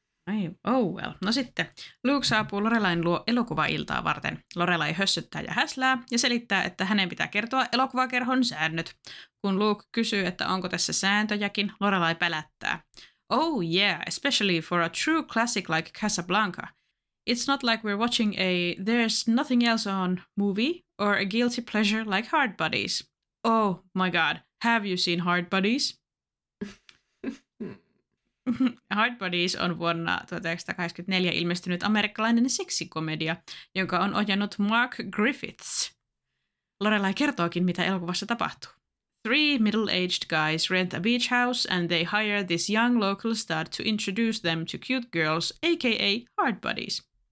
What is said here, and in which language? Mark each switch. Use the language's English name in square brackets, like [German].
[English] Ai, oh well. [Finnish] No sitten, Luke saapuu Lorelain luo elokuva-iltaa varten. Lorelai hössyttää ja häslää ja selittää, että hänen pitää kertoa elokuvakerhon säännöt. Kun Luke kysyy, että onko tässä sääntöjäkin, Lorelai pelättää. [English] Oh yeah, especially for a true classic like Casablanca. It's not like we're watching a There's Nothing Else On movie or a guilty pleasure like Hard Bodies. Oh my god, have you seen Hard Bodies? [Finnish] Hard Bodies on vuonna 1984 ilmestynyt amerikkalainen seksikomedia, jonka on ohjannut Mark Griffiths. Lorelai kertookin, mitä elokuvassa tapahtuu. [English] 3 middle-aged guys rent a beach house and they hire this young local stud to introduce them to cute girls, aka Hard Bodies.